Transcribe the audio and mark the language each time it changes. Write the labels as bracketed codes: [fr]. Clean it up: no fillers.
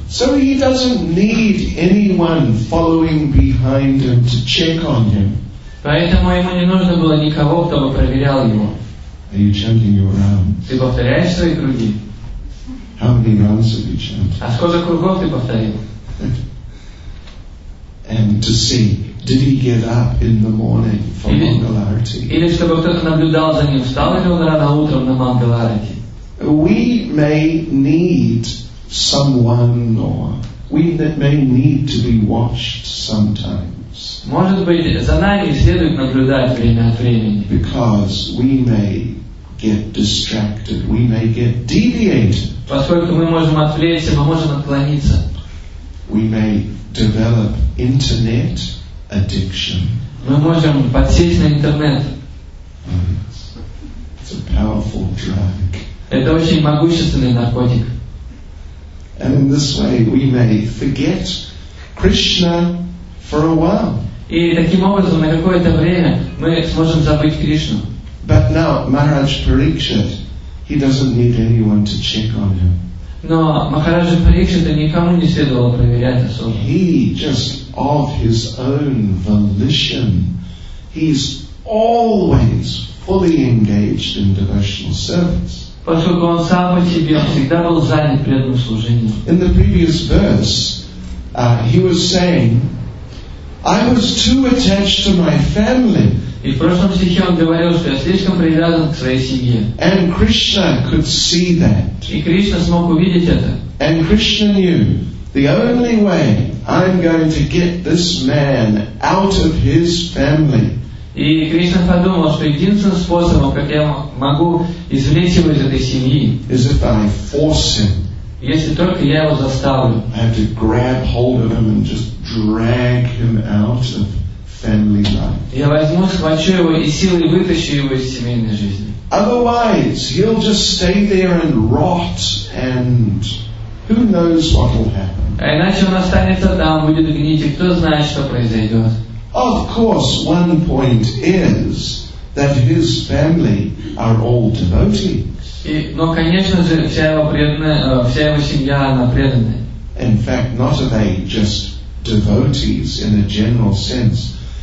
[en] So he doesn't need anyone following behind him to check on him. [ru] Поэтому ему не нужно было никого, кто бы проверял его. [en] Are you chanting your rounds? [ru] Ты повторяешь свои круги? [en] How many rounds have you chanted? [ru] А сколько кругов ты повторил? [en] And to see, did he get up in the morning for Mangalarati? [ru] Или чтобы кто-то наблюдал за ним, встал ли он рано утром на Мангаларати? [en] We may need someone, or we may need to be watched sometimes. [ru] Может быть, за нами следует наблюдать время от времени. [en] Because we may get distracted, we may get deviated. [ru] Поскольку мы можем отвлечься, мы можем отклониться. [en] We may develop internet addiction. [ru] Мы можем подсесть на интернет. [en] It's a powerful drug. [ru] Это очень могущественный наркотик. [en] And in this way we may forget Krishna for a while. [ru] И таким образом на какое-то время мы сможем забыть Кришну. [en] But now Maharaj Parikshit, he doesn't need anyone to check on him. [ru] Но Махараджа Парикшита никому не следовало проверять особо. [en] He just of his own volition, he's always fully engaged in devotional service. [ru] Поскольку он сам по себе всегда был занят преданным служением. [en] In the previous verse, he was saying, I was too attached to my family. [ru] И в прошлом стихе он говорил, что я слишком привязан к своей семье. [en] And Krishna could see that. [ru] И Кришна смог увидеть это. [en] And Krishna knew the only way I'm going to get this man out of his family. [ru] И Кришна подумал, что единственным способом, как я могу извлечь его из этой семьи, [en] is if I force him. [ru] Если только я его заставлю. [en] I have to grab hold of him and just drag him out of family life. [ru] Я возьму, схвачу его и силой вытащу его из семейной жизни. [en] Otherwise, he'll just stay there and rot, and who knows what will happen. [ru] А иначе он останется там, будет гнить, и кто знает, что произойдет. [en] Of course, one point is that his family are all devotees. [ru] И, но, конечно же, вся его преданная, вся его семья, она преданная. [en] In fact, not are they just devotees in a general sense.